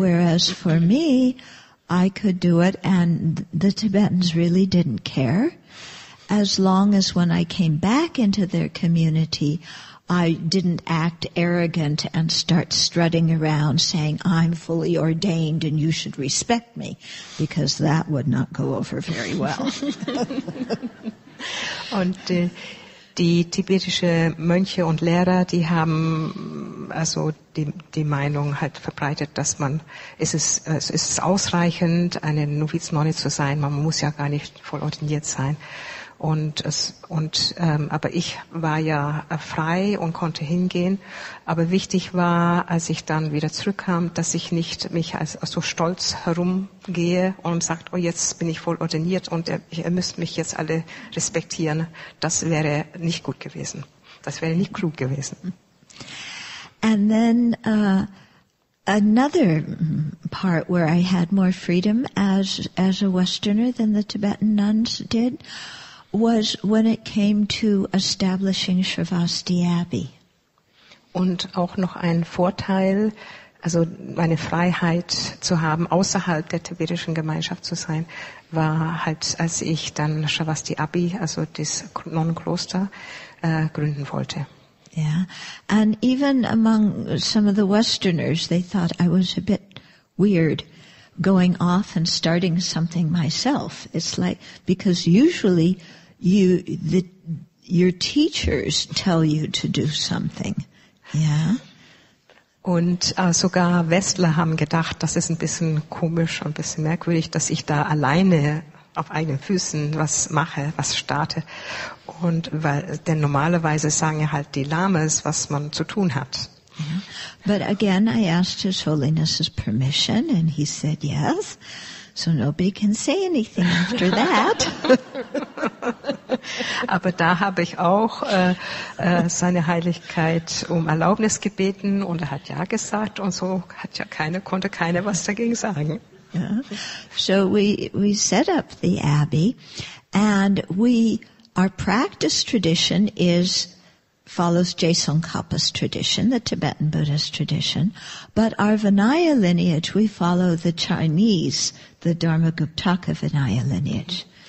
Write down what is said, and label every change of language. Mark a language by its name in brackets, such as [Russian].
[English] Whereas for me, I could do it, and the Tibetans really didn't care. As long as when I came back into their community, I didn't act arrogant and start strutting around saying, I'm fully ordained and you should respect me, because that would not go over very well. [German] Und die tibetische Mönche und Lehrer, die haben also die Meinung halt verbreitet, dass man, es ist ausreichend, eine Noviznonne zu sein, man muss ja gar nicht voll ordiniert sein. Aber ich war ja frei und konnte hingehen. Aber wichtig war, als ich dann wieder zurückkam, dass ich nicht mich als so stolz herumgehe und sagt, oh, jetzt bin ich voll ordiniert und ihr müsst mich jetzt alle respektieren. Das wäre nicht gut gewesen. Das wäre nicht klug gewesen. [English] And then, another part where I had more freedom as a Westerner than the Tibetan nuns did, was when it came to establishing Srivasti Abbey. [German] Und auch noch ein Vorteil, also meine Freiheit zu haben, außerhalb der tibetischen Gemeinschaft zu sein, war halt, als ich dann Srivasti Abbey, also das Nonnenkloster, gründen wollte. [English] Yeah, and even among some of the Westerners, they thought I was a bit weird going off and starting something myself. It's like, because usually your teachers tell you to do something. Yeah. [German] Und sogar Westler haben gedacht, das ist ein bisschen komisch und ein bisschen merkwürdig, dass ich da alleine auf eigenen Füßen was mache, was starte. Und weil, denn normalerweise sagen ja halt die Lamas, was man zu tun hat. [English] Yeah. But again, I asked His Holiness's permission, and he said yes. So nobody can say anything after that. [German] Aber da habe ich auch seine Heiligkeit um Erlaubnis gebeten, und er hat ja gesagt, und so hat ja keiner was dagegen sagen. [English] Yeah. So we set up the abbey, and our practice tradition is follows Jason Kapa's tradition, the Tibetan Buddhist tradition, but our Vinaya lineage, we follow the Chinese, the Dharmaguptaka Vinaya lineage.